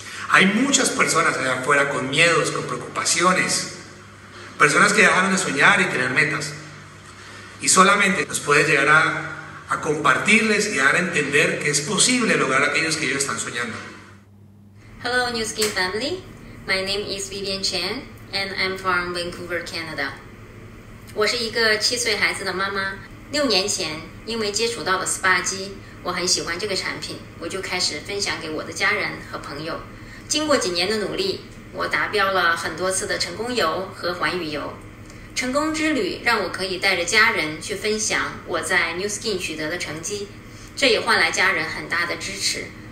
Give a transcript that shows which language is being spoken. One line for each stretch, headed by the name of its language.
Spanish: Hay muchas personas allá afuera con miedos, con preocupaciones, personas que dejaron de soñar y tener metas, y solamente nos puedes llegar a compartirles y dar a entender que es posible lograr aquellos que ellos están soñando.
English: Hello, Newskin family. My name is Vivian Chen, and I'm from Vancouver, Canada.
Chinese: 我是一个七岁孩子的妈妈。六年前，因为接触到了 SPA 机，我很喜欢这个产品，我就开始分享给我的家人和朋友。经过几年的努力，我达标了很多次的成功游和环宇游。成功之旅让我可以带着家人去分享我在 New Skin 取得的成绩，这也换来家人很大的支持。